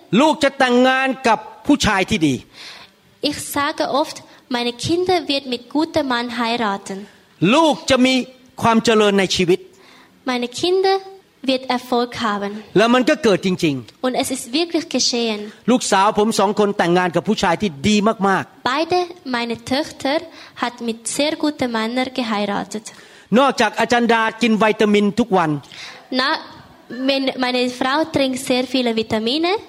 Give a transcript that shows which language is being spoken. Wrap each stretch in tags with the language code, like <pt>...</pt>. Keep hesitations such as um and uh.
<th>ลูกจะแต่งงานกับผู้ชายที่ดี</th> <de>Ich sage oft, meine Kinder wird mit gutem Mann heiraten.</de> <th>ลูกจะมีความเจริญในชีวิต</th> <de>Meine Kinder wird Erfolg haben.</de> <th>แล้วมันก็เกิดจริง</th> <de>ๆ Und es ist wirklich geschehen.</de> <th>ลูกสาวผมสองคนแต่งงานกับผู้ชายที่ดีมาก</th> <de>ๆ Beide meine Töchter hat mit sehr gutem Mann geheiratet.</de> <th>นอกจากอาจารย์ดากินวิตามินทุกวัน</th> <de>Wenn meine Frau trinkt sehr viele Vitamine,</de>